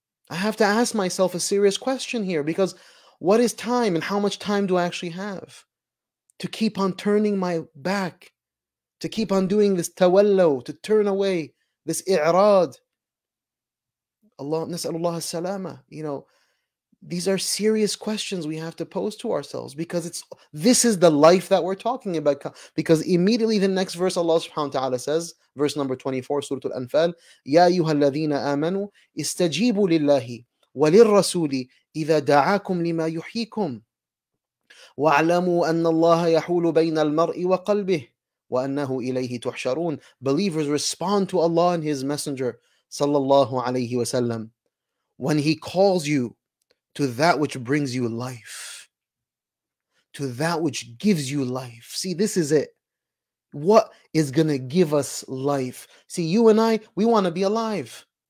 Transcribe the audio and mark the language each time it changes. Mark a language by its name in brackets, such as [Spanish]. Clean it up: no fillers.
[English] I have to ask myself a serious question here, because what is time and how much time do I actually have to keep on turning my back, to keep on doing this tawallo, to turn away this i'rad? Allah, [Arabic] nas'alullah as-salama, [English] you know, these are serious questions we have to pose to ourselves, because this is the life that we're talking about. Because immediately the next verse, Allah subhanahu wa ta'ala says, verse number 24, Surah Al-Anfal, [Arabic] يَا أَيُّهَا الَّذِينَ آمَنُوا إِسْتَجِيبُوا لِلَّهِ وَلِلرَّسُولِ إِذَا دَعَاكُمْ لِمَا يُحْيِيكُمْ وَعْلَمُوا أَنَّ اللَّهَ يَحُولُ بَيْنَ الْمَرْءِ وَقَلْبِهِ وَأَنَّهُ إِلَيْهِ تُحْشَرُونَ. [English] Believers, respond to Allah and His Messenger, sallallahu alayhi wa sallam, when He calls you to that which brings you life, to that which gives you life. See, this is it. What is going to give us life? See, you and I, we want to be alive.